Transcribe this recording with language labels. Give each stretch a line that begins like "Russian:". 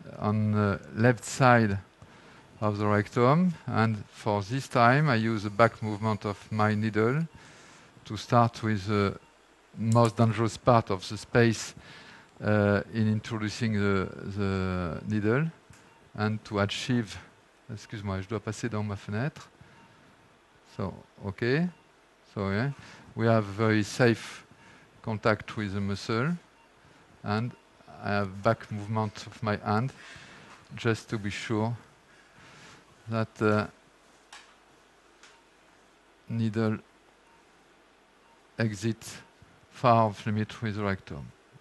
English: on the left side of the rectum, and for this time I use the back movement of my needle to start with the most dangerous part of the space in introducing the needle and to achieve.
French: Excuse-moi, je dois passer dans ma fenêtre.
English: So, okay. So, yeah. We have very safe contact with the muscle. And I have back movement of my hand just to be sure that the needle exits far off limit with the rectum.